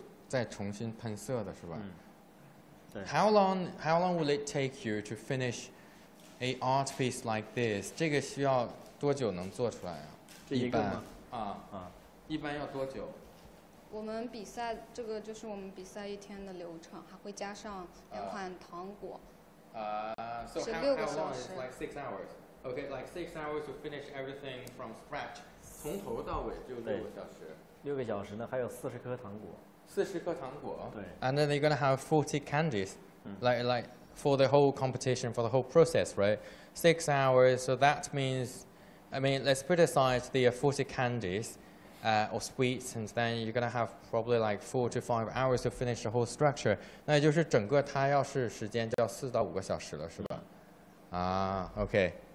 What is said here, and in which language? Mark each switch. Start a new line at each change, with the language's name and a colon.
Chinese: 这个几个做完了之后，其实还会有再重新喷色的，是吧？ Mm.
English: How long will it take you to finish a art piece like this?
Chinese: 这个需要多久能做出来啊？一般要多久？我们比赛，这个就是我们比赛一天的流程，还会加上两款糖果，是六个小时。
English: Like 6 hours. Okay, like 6 hours to finish everything from scratch.
Chinese: 从头到尾就6个小时。六个小时呢，还有40颗糖果。40颗糖果。对。
English: And then they're gonna have 40 candies, like for the whole competition, for the whole process, right? 6 hours. So that means, I mean, let's put aside the 40 candies, or sweets, and then you're gonna have probably like 4 to 5 hours to finish the whole structure.
Chinese: 那也就是整个它要是时间就要4到5个小时了，是吧？啊 ，OK。